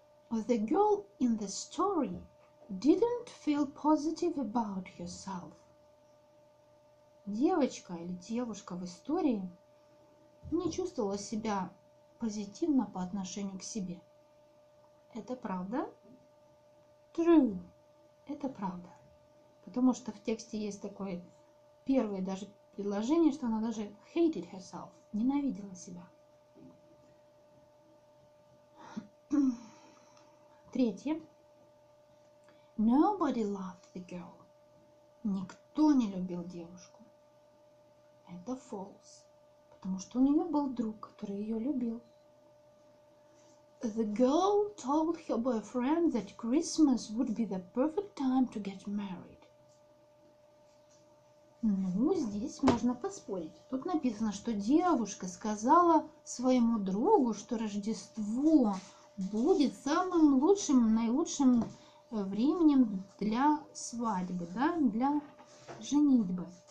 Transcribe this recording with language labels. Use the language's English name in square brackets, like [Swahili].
[English] The girl in the story didn't feel positive about herself. [Russian] Девочка или девушка в истории не чувствовала себя позитивно по отношению к себе. Это правда? True. Это правда. Потому что в тексте есть такое первое даже предложение, что она даже [English] hated herself, [Russian] ненавидела себя. Третье. [English] Nobody loved the girl. [Russian] Никто не любил девушку. Это false. Потому что у нее был друг, который ее любил. [English] The girl told her boyfriend that Christmas would be the perfect time to get married. [Russian] Ну, здесь можно поспорить. Тут написано, что девушка сказала своему другу, что Рождество будет самым лучшим, наилучшим временем для свадьбы, да, для женитьбы.